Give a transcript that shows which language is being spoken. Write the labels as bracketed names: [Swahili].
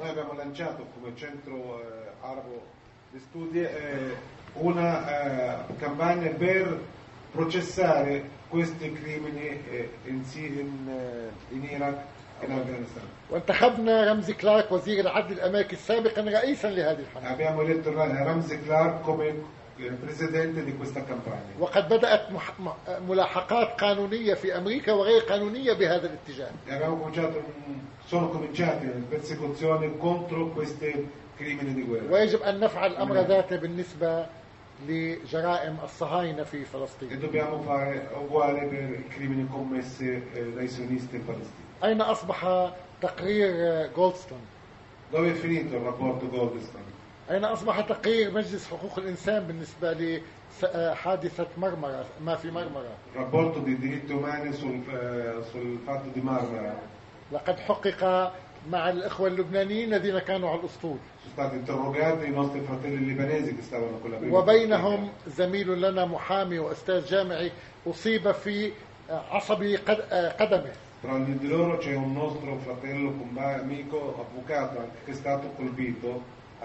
[Italian] Noi abbiamo lanciato come centro arabo di studi una campagna per processare questi crimini in Iraq e in Afghanistan. [Arabic] وانتخبنا رمزي كلارك وزير العدل الأمريكي سابقا رئيسا لهذه الحملة. [Italian] Abbiamo eletto رمزي كلارك come presidente di questa campagna. [Arabic] وقد بدأت ملاحقات قانونية في أمريكا وغير قانونية بهذا الاتجاه. [Italian] Sono cominciate le persecuzioni contro questi crimini di guerra. [Arabic] ويجب أن نفعل الأمر ذاته بالنسبة لجرائم الصهاينة في فلسطين. [Italian] E dobbiamo fare uguale per i crimini commessi dai sionisti in Palestina. [Arabic] أين أصبح تقرير جولدستون؟ [Italian] Dove è finito il rapporto Goldstone? [Arabic] أين أصبح تقرير مجلس حقوق الإنسان بالنسبة لحادثة مرمرة ما في مرمرة؟ [Italian] Rapporto di diritti umani sul fatto di Marmara. [Arabic] لقد حقق مع الإخوة اللبنانيين الذين كانوا على الأسطول. [Italian] Sono stati interrogati i nostri fratelli libanesi che stavano con la prima. [Arabic] وبينهم زميل لنا محامي وأستاذ جامعي أصيب في عصبي قدمه. [Italian] Tra di loro c'è un nostro fratello, compagno, amico, avvocato che è stato colpito.